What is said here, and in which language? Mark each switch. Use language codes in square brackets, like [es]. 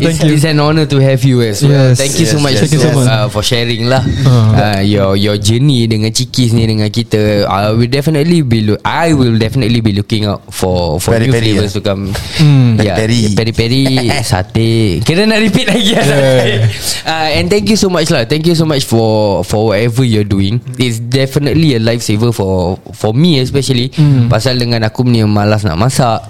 [en] It's an honor to have you as well. Thank you so much. Thank you so much for sharing. [ms] sharing lah [en] your journey [ms] dengan Cikis ni dengan kita. [en] I will definitely be looking out for peri-peri new flavors to come. Peri-peri sate. [ms] Kira nak repeat lagi. [en] And thank you so much lah. Thank you so much for whatever you're doing. It's definitely a lifesaver for me especially. [ms] Pasal dengan aku ni malas nak masak,